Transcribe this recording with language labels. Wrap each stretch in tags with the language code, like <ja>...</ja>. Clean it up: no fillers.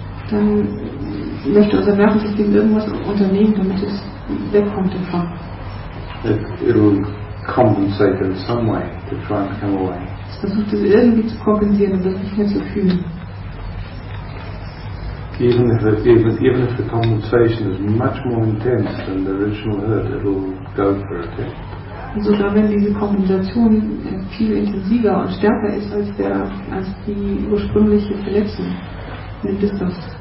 <de>Dann möchte unser Nervensystem irgendwas unternehmen, damit es wegkommt davon.</de> <en>Compensate in some way to try and come away.</en> <de>Es versucht es irgendwie zu kompensieren, um das nicht mehr zu fühlen.</de> <en>Even if the compensation is much more intense than the original hurt, it will go for it.</en> <de>Und sogar wenn diese Kompensation viel intensiver und stärker ist als die ursprüngliche Verletzung, nimmt es das.</de>